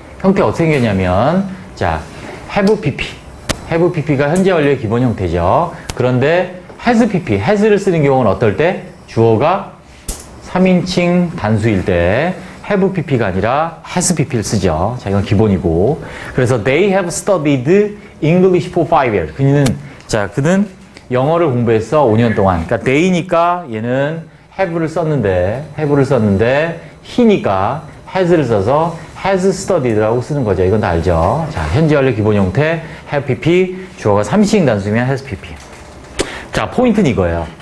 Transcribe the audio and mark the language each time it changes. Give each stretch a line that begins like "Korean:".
Korean: 형태 어떻게 생겼냐면, 자, have pp. have pp가 현재 완료의 기본 형태죠. 그런데 has pp. has를 쓰는 경우는 어떨 때? 주어가 3인칭 단수일 때 have pp가 아니라 has pp를 쓰죠. 자, 이건 기본이고. 그래서
English: they have studied English for 5 years.
Korean: 그는 영어를 공부했어 5년 동안. 그러니까 they니까 얘는 have를 썼는데 he니까 has를 써서 has studied라고 쓰는 거죠. 이건 다 알죠. 자, 현재 완료 기본 형태 have pp, 주어가 3인칭 단수면 has pp. 자, 포인트는 이거예요.